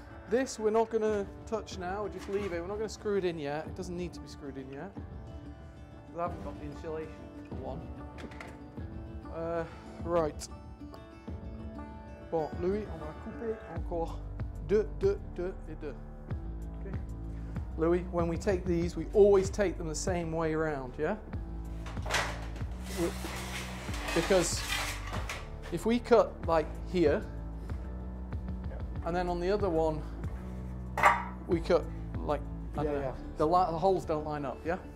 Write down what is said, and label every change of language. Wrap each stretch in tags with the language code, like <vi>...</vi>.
<en>This we're not going to touch now, we'll just leave it. We're not going to screw it in yet. It doesn't need to be screwed in yet. I haven't got the insulation. One. Right.</en> <fr>Bon, Louis, on va couper encore deux.</fr> <en>Okay. Louis, when we take these, we always take them the same way around, yeah? Because if we cut like here, And then on the other one, we cut like, the holes don't line up, yeah?</en>